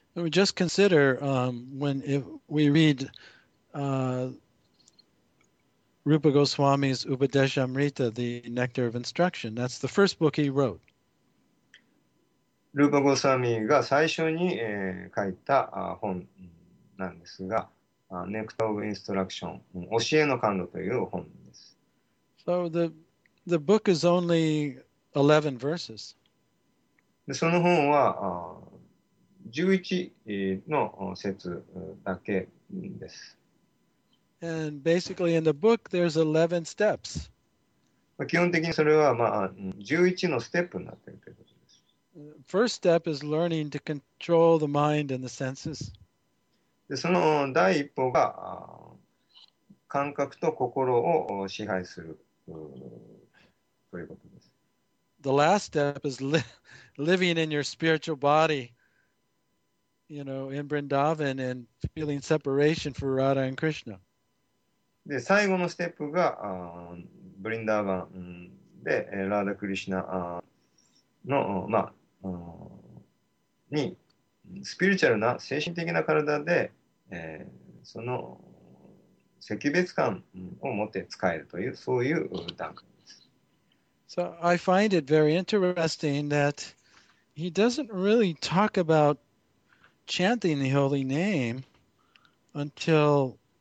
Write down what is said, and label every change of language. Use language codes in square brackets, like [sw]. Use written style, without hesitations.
[en] Just consider, when if we read, Rupa Goswami's Upadeshamrita, The Nectar of Instruction. That's the first book he wrote. [ja] Rupa Goswami が最初に書いた本なんですが、Nectar of Instruction, 教えの甘露という本です。 [en] So the book is only 11 verses. [ja] その本は11の節だけです。 [en] And basically in the book there's 11 steps. [ja] 基本的にそれは、まあ、11のステップになっているということです。 [en] First step is learning to control the mind and the senses. [ja] で、その第一歩が感覚と心を支配するということです。 [en] The last step is living in your spiritual body, in Vrindavan and feeling separation for Radha and Krishna. [ja] で最後のステップがブリンダーバンでラーダ・クリシナの、まあ、にスピリチュアルな精神的な体で、その赤別感を持って使えるというそういう段階です。 [en] So I find it very interesting that he doesn't really talk about chanting the holy name until.